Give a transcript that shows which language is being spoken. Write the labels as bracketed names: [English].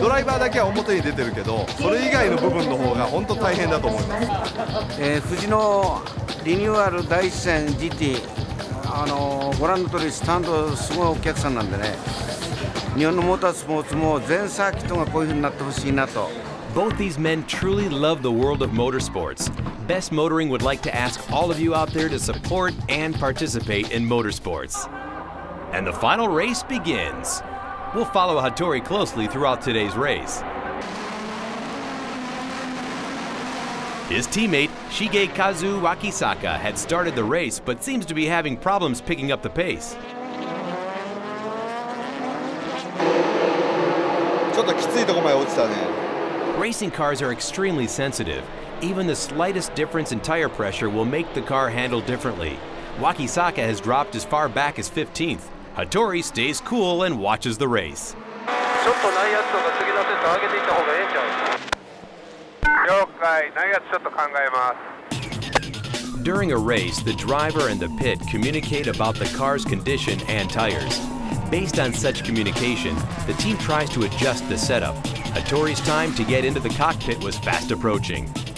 [Japanese] ドライバーだけは表に出てるけど、それ以外の部分の方が本当大変だと思います。富士のリニューアル第一線 GT、ご覧の通りスタンドすごいお客さんなんでね、日本のモータースポーツも全サーキットがこういう風になってほしいなと。 [English] Both these men truly love the world of motorsports. Best Motoring would like to ask all of you out there to support and participate in motorsports. And the final race begins. We'll follow Hattori closely throughout today's race. His teammate, Shige Kazu Wakisaka, had started the race but seems to be having problems picking up the pace. [Japanese] ちょっときついとこまで落ちたね。 [English] Racing cars are extremely sensitive. Even the slightest difference in tire pressure will make the car handle differently. Wakisaka has dropped as far back as 15th. Hattori stays cool and watches the race. [Japanese] ちょっと内圧とか次のセット上げていった方がええんちゃう？了解。内圧ちょっと考えます。 [English] During a race, the driver and the pit communicate about the car's condition and tires. Based on such communication, the team tries to adjust the setup. Hattori's time to get into the cockpit was fast approaching.